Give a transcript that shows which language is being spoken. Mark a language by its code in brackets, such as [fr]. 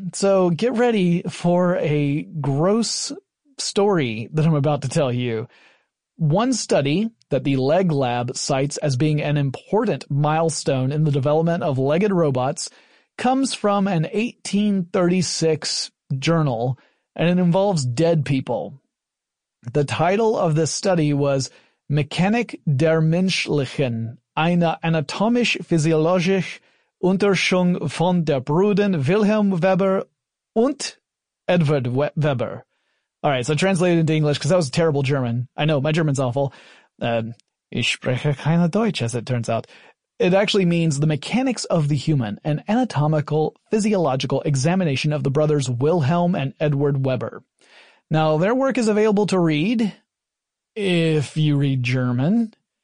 [en] So get ready for a gross story that I'm about to tell you. One study that the Leg Lab cites as being an important milestone in the development of legged robots comes from an 1836 journal, and it involves dead people. The title of this study was [de] Mechanik der Menschlichen, eine anatomisch-physiologische Untersuchung von der Brüdern Wilhelm Weber und Edward Weber. [en] All right, so translated into English, because that was terrible German. I know, my German's awful. [de] Ich spreche kein Deutsch, [en] as it turns out. It actually means the mechanics of the human, an anatomical, physiological examination of the brothers Wilhelm and Edward Weber. Now, their work is available to read, if you read German.